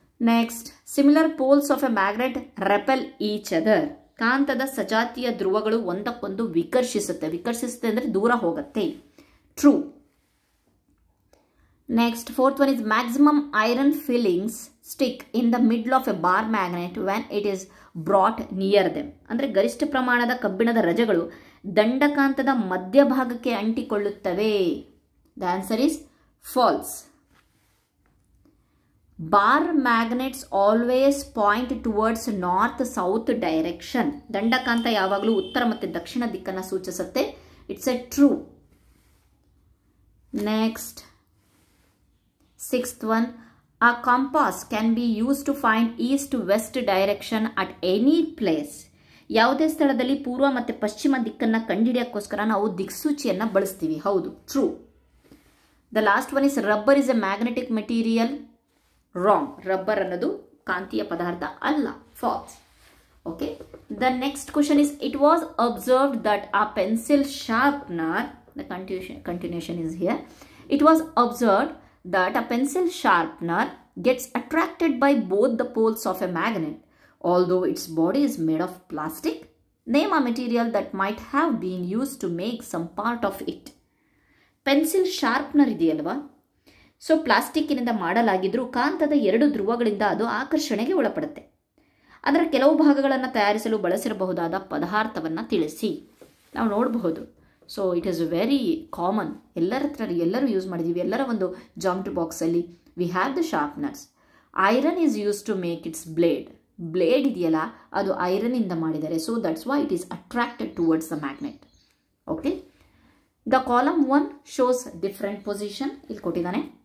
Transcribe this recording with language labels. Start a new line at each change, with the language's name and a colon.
English: next similar poles of a magnet repel each other
Kannada: ಕಾಂತದ ಸಜಾತೀಯ ಧ್ರುವಗಳು ಒಂದಕ್ಕೊಂದು ವಿಕರ್ಷಿಸುತ್ತೆ ವಿಕರ್ಷಿಸುತ್ತೆ ಅಂದರೆ ದೂರ ಹೋಗುತ್ತೆ
English: True Next, fourth one is maximum iron fillings stick in the middle of a bar magnet when it is brought near them.
Kannada: ಅಂದರೆ ಗರಿಷ್ಠ ಪ್ರಮಾಣದ ಕಬ್ಬಿಣದ ರಜಗಳು ದಂಡಕಾಂತದ ಮಧ್ಯಭಾಗಕ್ಕೆ ಅಂಟಿಕೊಳ್ಳುತ್ತವೆ.
English: The answer is false. Bar magnets always point towards north-south direction.
Kannada: ದಂಡಕಾಂತ ಯಾವಾಗಲೂ ಉತ್ತರ ಮತ್ತು ದಕ್ಷಿಣ ದಿಕ್ಕನ್ನು ಸೂಚಿಸುತ್ತೆ.
English: It's a true. Next. Sixth one, a compass can be used to find east-west direction at any place.
Kannada: ಯಾವುದೇ ಸ್ಥಳದಲ್ಲಿ ಪೂರ್ವ ಮತ್ತು ಪಶ್ಚಿಮ ದಿಕ್ಕನ್ನು ಕಂಡುಹಿಡಿಯೋಕ್ಕೋಸ್ಕರ ನಾವು ದಿಕ್ಸೂಚಿಯನ್ನು ಬಳಸ್ತೀವಿ ಹೌದು true
English: the last one is rubber is a magnetic material wrong
Kannada: rubber ಅನ್ನೋದು ಕಾಂತೀಯ ಪದಾರ್ಥ ಅಲ್ಲ
English: False okay the next question is it was observed that a pencil sharpener the continuation is here it was observed That a pencil sharpener gets attracted by both the poles of a magnet, although its body is made of plastic. Name a material that might have been used to make some part of it.
Kannada: Pencil sharpener ಇದೆಯಲ್ವಾ so ಪ್ಲಾಸ್ಟಿಕ್ಕಿನಿಂದ ಮಾಡಲಾಗಿದ್ರೂ ಕಾಂತದ ಎರಡು ಧ್ರುವಗಳಿಂದ ಅದು ಆಕರ್ಷಣೆಗೆ ಒಳಪಡುತ್ತೆ ಅದರ ಕೆಲವು ಭಾಗಗಳನ್ನು ತಯಾರಿಸಲು ಬಳಸಿರಬಹುದಾದ ಪದಾರ್ಥವನ್ನು ತಿಳಿಸಿ ನಾವು ನೋಡಬಹುದು
English: so it is very common
Kannada: ಎಲ್ಲರ ಹತ್ರ ಎಲ್ಲರೂ ಯೂಸ್ ಮಾಡಿದ್ದೀವಿ ಎಲ್ಲರ ಒಂದು ಜಾಮಿಟ್ರಿ ಬಾಕ್ಸಲ್ಲಿ
English: we have the sharpeners iron is use to make its blade
Kannada: blade ಇದೆಯಲ್ಲ ಅದು ಐರನಿಂದ ಮಾಡಿದ್ದಾರೆ
English: so that's why it is attracted towards the magnet okay the column one shows different position
Kannada: ಇಲ್ಲಿ ಕೊಟ್ಟಿದ್ದಾನೆ